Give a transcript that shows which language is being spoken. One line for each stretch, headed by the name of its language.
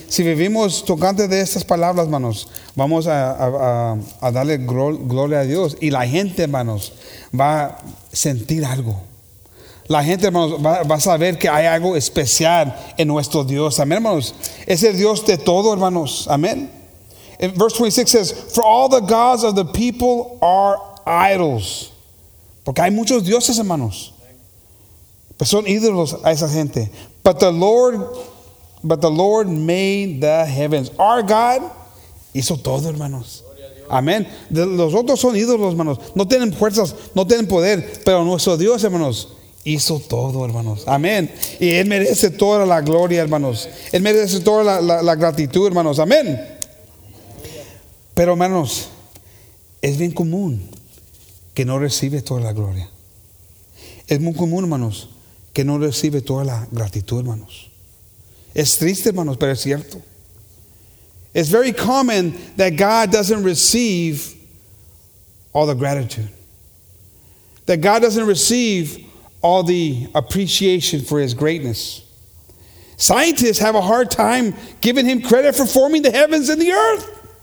Spanish: Si vivimos tocante de estas palabras, hermanos, vamos a darle gloria a Dios. Y la gente, hermanos, va a sentir algo. La gente, hermanos, va a saber que hay algo especial en nuestro Dios. Amén, hermanos. Es el Dios de todo, hermanos. Amén.
English: Verse 26 says, for all the gods of the people are idols.
Spanish: Porque hay muchos dioses, hermanos. Pues son ídolos a esa gente.
English: But the Lord made the heavens. Our God
Spanish: hizo todo, hermanos. Amén. Los otros son ídolos, hermanos. No tienen fuerzas, no tienen poder. Pero nuestro Dios, hermanos, hizo todo, hermanos. Amén. Y Él merece toda la gloria, hermanos. Él merece toda la gratitud, hermanos. Amén. Pero, hermanos, es bien común que no recibe toda la gloria. Es muy común, hermanos, que no recibe toda la gratitud, hermanos. Es triste, hermanos, pero es cierto.
English: It's very common that God doesn't receive all the gratitude. That God doesn't receive all the appreciation for his greatness. Scientists have a hard time giving him credit for forming the heavens and the earth.